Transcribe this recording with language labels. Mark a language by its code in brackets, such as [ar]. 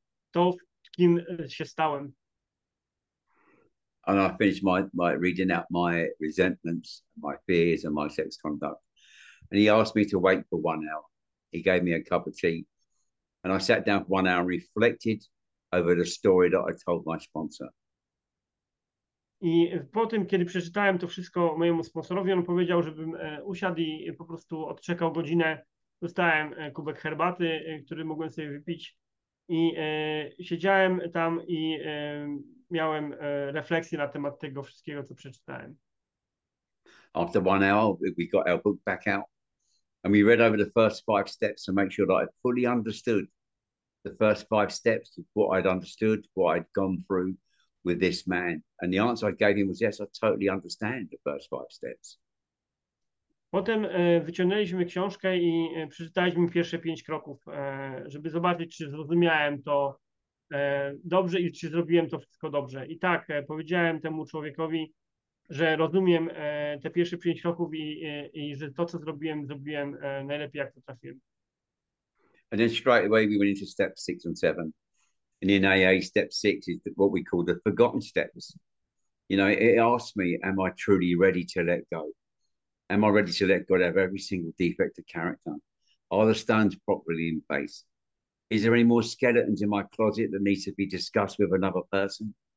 [pl] To, kim się stałem. [en] And I finished my reading out my resentments, my fears, and my sex conduct. And he asked me to wait for 1 hour. He gave me a cup of tea. And I sat down for 1 hour and reflected over the story that I told my sponsor. [pl] I po tym, kiedy przeczytałem to wszystko mojemu sponsorowi, on powiedział, żebym usiadł i po prostu odczekał godzinę. Dostałem kubek herbaty, który mogłem sobie wypić. I siedziałem tam i miałem refleksję na temat tego wszystkiego, co przeczytałem. [en] After 1 hour, we got our book back out And we read over the first five steps to make sure that I fully understood the first five steps of what I'd understood, what I'd gone through with this man. And the answer I gave him was, yes, I totally understand the first five steps. [pl] Potem wyciągnęliśmy książkę i przeczytaliśmy pierwsze pięć kroków, żeby zobaczyć, czy zrozumiałem to dobrze i czy zrobiłem to wszystko dobrze. I tak, powiedziałem temu człowiekowi, że rozumiem te pierwsze pięć kroków i że to, co zrobiłem, zrobiłem najlepiej, jak potrafiłem. [en] And then straight away we went into step six and seven. And in AA, step six is what we call the forgotten steps. You know, it asks me, am I truly ready to let go? Am I ready to let go of every single defect of character? Are the stones properly in place? Is there any more skeletons in my closet that need to be discussed with another person?